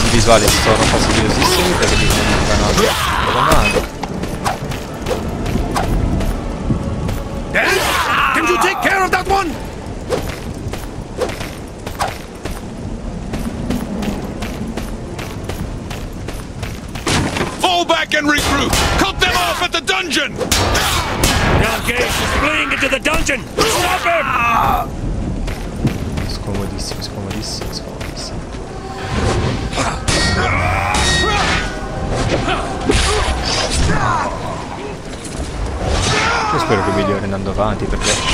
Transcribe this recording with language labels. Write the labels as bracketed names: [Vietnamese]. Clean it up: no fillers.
[Italian] Vale, sono fastidiosissimi perché mi sembrano la mano. [English] Can you take care of that one? Fall back and regroup! Cut them off at the dungeon! Young Gage is fleeing into the dungeon! Stop him! [Italian] Scomodissimo, scomodissimo, scomodissimo. Io spero che migliori andando avanti perché.